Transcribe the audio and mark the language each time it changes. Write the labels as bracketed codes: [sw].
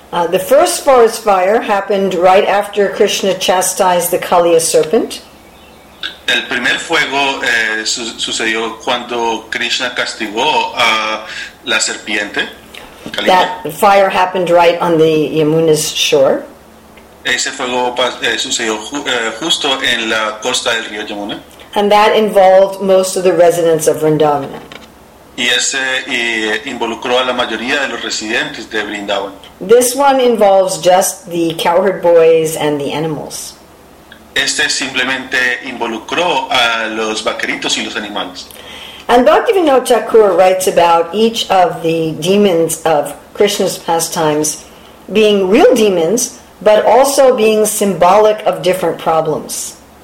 [en] The first forest fire happened right after Krishna chastised the Kaliya serpent. [es] El primer fuego sucedió cuando Krishna castigó a la serpiente. Kaliya. [en] That fire happened right on the Yamuna's shore. [es] Ese fuego sucedió justo en la costa del río Yamuna. [en] And that involved most of the residents of Vrindavan. [es] Y ese involucró a la mayoría de los residentes de Vrindavan. [en] This one involves just the cowherd boys and the animals. [es] Este simplemente involucró a los vaqueritos y los animales. [en] And Bhaktivinoda Thakur writes about each of the demons of Krishna's pastimes being real demons, but also being symbolic of different problems.